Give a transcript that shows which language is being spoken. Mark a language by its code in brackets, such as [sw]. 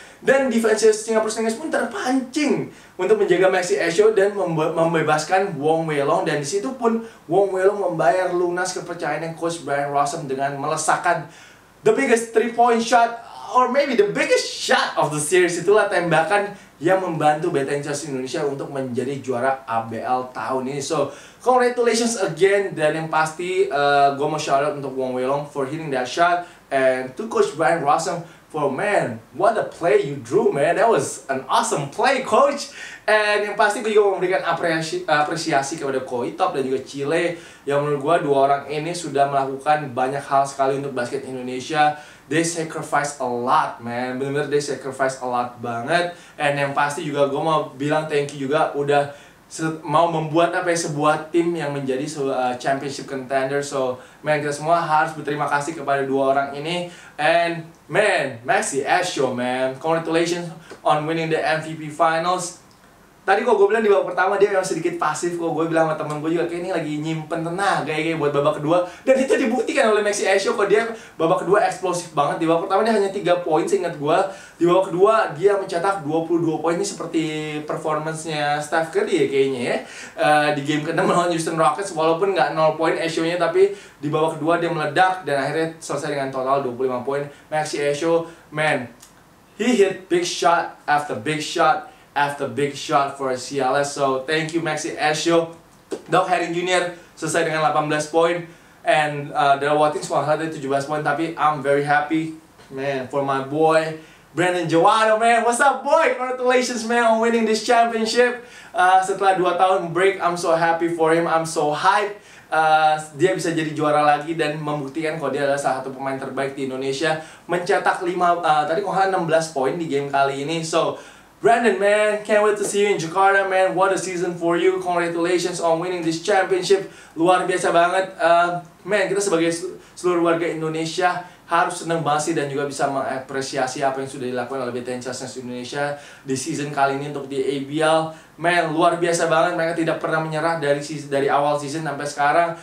[id] Dan defense Singapore Slingers pun terpancing untuk menjaga Maxi Esho dan membebaskan Wong Wei Long. Dan di situ pun Wong Wei Long membayar lunas kepercayaan yang Coach Brian Russell dengan melesakkan [en] the biggest 3 point shot, or maybe the biggest shot of the series. [id] Itulah tembakan yang membantu BTN CLS Indonesia untuk menjadi juara ABL tahun ini. [en] So, congratulations again. [id] Dan yang pasti gue mau shout out untuk [en] Wong Wei Long for hitting that shot, and to Coach Brian Russell, well, man, what a play you drew, man. That was an awesome play, coach. [id] And yang pasti gue juga memberikan apresiasi kepada Ko Itop dan juga Chile, yang menurut gue dua orang ini sudah melakukan banyak hal sekali untuk basket Indonesia. [en] They sacrifice a lot, man. [id] Benar-benar [en] they sacrifice a lot [id] banget. And yang pasti juga gue mau bilang [en] thank you [id] juga udah mau membuat apa ya, sebuah tim yang menjadi championship contender. So, man, kita semua harus berterima kasih kepada dua orang ini. [en] And man, Maxi Esho, man, congratulations on winning the MVP finals. [id] Tadi kok gue bilang di babak pertama dia memang sedikit pasif, kok gue bilang sama temen gue juga kayak ini lagi nyimpen tenaga kayak buat babak kedua. Dan itu dibuktikan oleh Maxi Esho, kok dia babak kedua eksplosif banget. Di babak pertama dia hanya 3 poin seingat gue. Di babak kedua dia mencetak 22 poin, ini seperti performance-nya Steph Curry ya kayaknya ya. Di game ke-6 melawan Houston Rockets, walaupun nggak 0 poin Esho-nya, tapi di babak kedua dia meledak dan akhirnya selesai dengan total 25 poin. [en] Maxi Esho, man, he hit big shot after big shot after big shot for CLS. So thank you, [id] Maxi Esho. Doc Herring Jr. selesai dengan 18 poin, and Dara Watkins malah ada 17 poin. [en] Tapi I'm very happy, man, for my boy Brandon Jawaro, man. What's up, boy? Congratulations, man, on winning this championship. [id] Setelah 2 tahun break, [en] I'm so happy for him. I'm so hyped. [id] Dia bisa jadi juara lagi dan membuktikan kalau dia adalah salah satu pemain terbaik di Indonesia. Mencetak 16 poin di game kali ini. [en] So, Brandon, man, can't wait to see you in Jakarta, man. What a season for you. Congratulations on winning this championship. [id] Luar biasa banget. Man, kita sebagai seluruh warga Indonesia harus senang banget sih dan juga bisa mengapresiasi apa yang sudah dilakukan oleh BTN CLS Indonesia di season kali ini untuk di ABL. Man, luar biasa banget. Mereka tidak pernah menyerah dari awal season sampai sekarang.